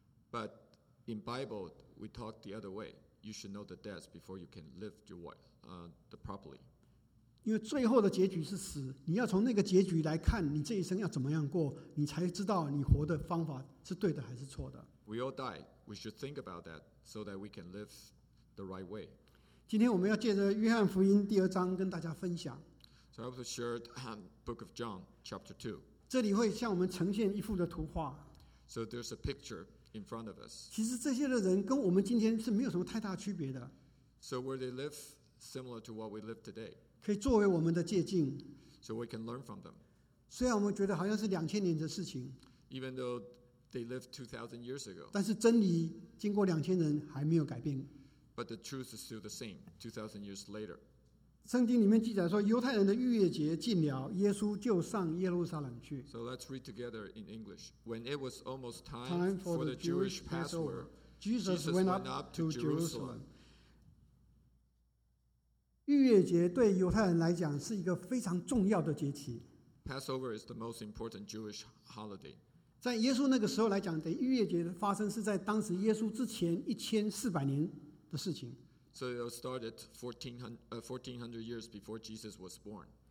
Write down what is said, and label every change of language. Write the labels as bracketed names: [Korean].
[English] But in Bible, we talk the other way. You should know the death before you can live your life, properly. [Chinese] 因为最后的结局是死，你要从那个结局来看你这一生要怎么样过，你才知道你活的方法是对的还是错的。 [English] We all die. We should think about that so that we can live the right way. [Chinese] 今天我们要借着约翰福音第二章跟大家分享。 [English] So I want to share the book of John, chapter 2. [Chinese] 这里会向我们呈现一幅的图画。 [English] So there's a picture in front of us. [Chinese] 其实这些的人跟我们今天是没有什么太大区别的。 [English] So where they live, similar to what we live today. [Chinese] 可以作为我们的借镜。 [English] So we can learn from them. [Chinese] 虽然我们觉得好像是2000年的事情。 [English] Even though they lived 2000 years ago. [Chinese] 但是真理经过2000年还没有改变。 [English] But the truth is still the same, 2000 years later. [Chinese] 圣经里面记载说犹太人的逾越节近了，耶稣就上耶路撒冷去。 [English] So let's read together in English. When it was almost time for the Jewish Passover, Jesus went up to Jerusalem. [Chinese] 逾越节对犹太人来讲是一个非常重要的节期。 [English] Passover is the most important Jewish holiday. [Chinese] 在耶稣那个时候来讲，等逾越节的发生是在当时耶稣之前1400年的事情。 [English] So it started 1400 years before Jesus was born.